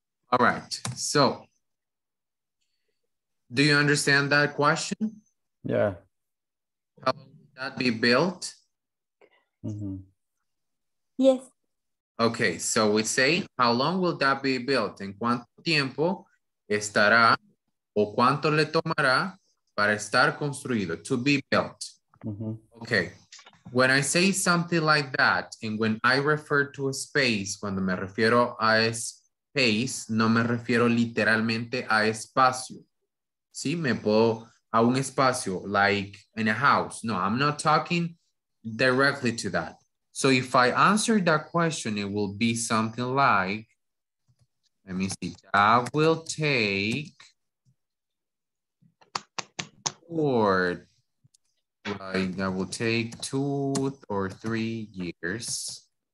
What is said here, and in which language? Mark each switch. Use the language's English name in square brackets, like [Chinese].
[English] All right, so do you understand that question? Yeah. How long would that be built? Mm-hmm. Yes. Okay, so we say, how long will that be built? [Spanish] En cuánto tiempo estará o cuánto le tomará para estar construido, [English] to be built. Mm-hmm. Okay, when I say something like that, and when I refer to a space, [Spanish] cuando me refiero a space, no me refiero literalmente a espacio. Sí, me puedo a un espacio, [English] like in a house. No, I'm not talking directly to that. So if I answer that question, it will be something like, let me see, that will take or like that will take 2 or 3 years.